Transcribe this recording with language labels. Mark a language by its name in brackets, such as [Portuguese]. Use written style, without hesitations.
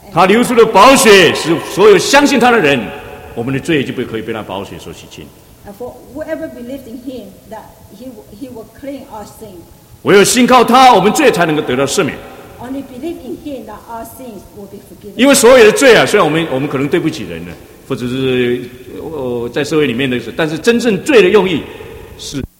[Chinese] 他流出的宝血，使所有相信他的人，我们的罪就不可以被那宝血所洗净。 [English] And for whoever believed in him, that he will clean our sin. [Chinese] 唯有信靠他，我们罪才能够得到赦免。 [English] Only believe in him that our sins will be forgiven. [Chinese] 因为所有的罪啊，虽然我们可能对不起人呢，或者是在社会里面的，但是真正罪的用意是。